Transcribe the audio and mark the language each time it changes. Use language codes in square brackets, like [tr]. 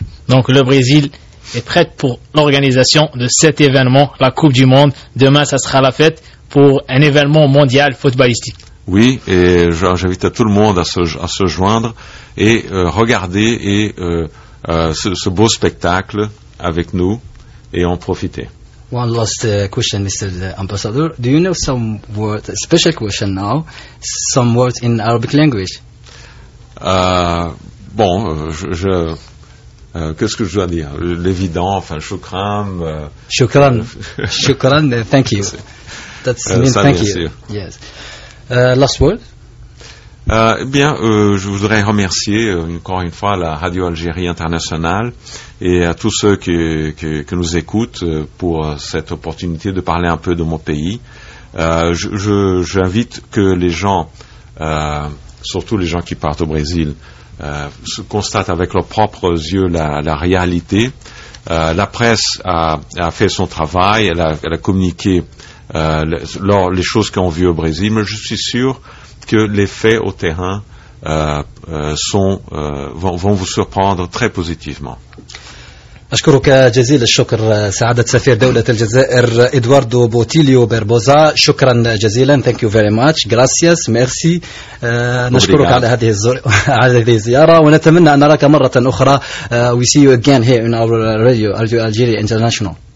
[fr] Donc le Brésil est prêt pour l'organisation de cet événement, la Coupe du Monde. Demain, ça sera la fête pour un événement mondial footballistique. Oui, et j'invite à tout le monde à se joindre et regarder ce beau spectacle avec nous et en profiter. [en] One last question, Mr. Ambassador. Do you know some words, a special question now, some words in Arabic language? [fr] Qu'est-ce que je dois dire? L'évident, enfin, shukran. [en] Shukran. Shukran, thank you. That means thank you. Yes. Last word? [fr] Je voudrais remercier encore une fois la Radio Algérie Internationale et à tous ceux qui nous écoutent pour cette opportunité de parler un peu de mon pays. J'invite que les gens, surtout les gens qui partent au Brésil, se constatent avec leurs propres yeux la réalité. La presse a fait son travail, elle a communiqué les choses qu'on vit au Brésil, mais je suis sûr que les faits au terrain vont vous surprendre très positivement. [ar] أشكرك جزيل الشكر سعادة سفير دولة الجزائر إدواردو بوتيليو بيربوزا, شكرا جزيلا, [en] thank you very much, [ar] gracias, merci. نشكرك على هذه الزيارة ونتمنى أن نراك مرة أخرى. [en] We see you again here in our radio Algeria International.